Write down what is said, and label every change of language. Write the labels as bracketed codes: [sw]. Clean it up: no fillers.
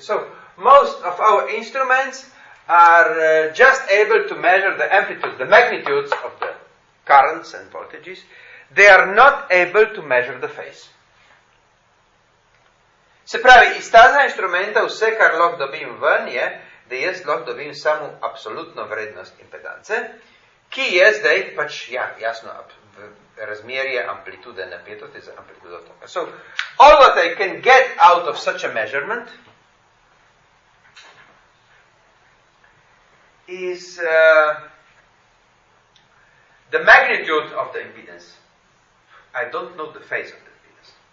[en] So, most of our instruments are just able to measure the amplitude, the magnitudes of the currents and voltages. They are not able to measure the phase. [sl] Se pravi, iz tega instrumenta vse, kar lahko dobim ven, je, da jaz lahko dobim samo absolutno vrednost impedance, ki je zdaj, pač ja, jasno, razmerje amplitude napetosti za amplitudo toka. [en] So, all what I can get out of such a measurement is the magnitude of the impedance. I don't know the phase of the impedance.